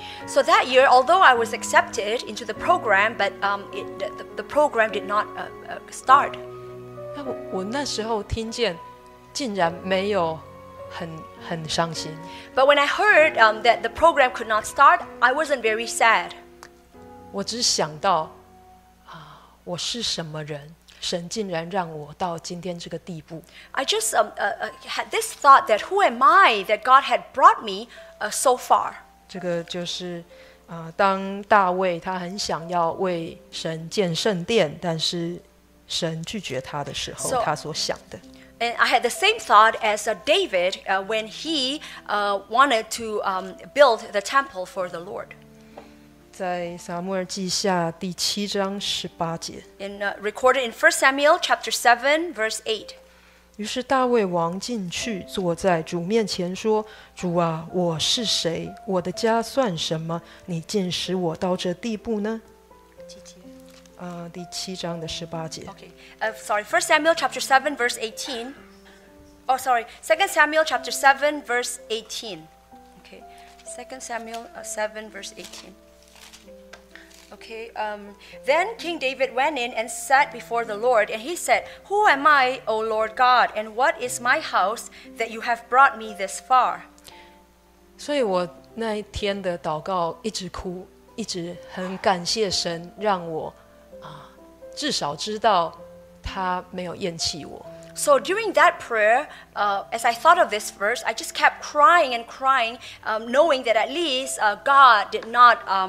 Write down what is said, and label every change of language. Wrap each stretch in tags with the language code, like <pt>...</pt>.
<en>So that year, although I was accepted into the program, but the program did not start.</en> <zh>那 我那时候听见，竟然没有很伤心。</zh> <en>But when I heard that the program could not start, I wasn't very sad.</en> <zh>我只想到，我是什么人？神竟然让我到今天这个地步。</zh> <en>I just had this thought that who am I that God had brought me so far?</en> <zh>这个就是当大卫他很想要为神建圣殿，但是神拒绝他的时候，他所想的。</zh> <en>And I had the same thought as David when he wanted to build the temple for the Lord.</en> <zh>在撒母耳记下第七章十八节。</zh> <en>In recorded in 1 Samuel chapter 7 verse 8.</en> <zh>于是大卫王进去坐在主面前说，主啊，我是谁？我的家算什么？你竟使我到这地步呢？第七章的十八节。</zh> <en>Okay. Sorry, 1 Samuel chapter 7 verse 18. Oh, sorry, 2 Samuel chapter 7 verse 18. Okay, 2 Samuel 7 verse 18. Okay, then King David went in and sat before the Lord, and he said, Who am I, O Lord God, and what is my house that you have brought me this far?</en> <zh>所以我那一天的祷告一直哭，一直很感谢神让我至少知道他没有厌弃我。</zh> <en>So during that prayer, as I thought of this verse, I just kept crying and crying, knowing that at least God did not...</en>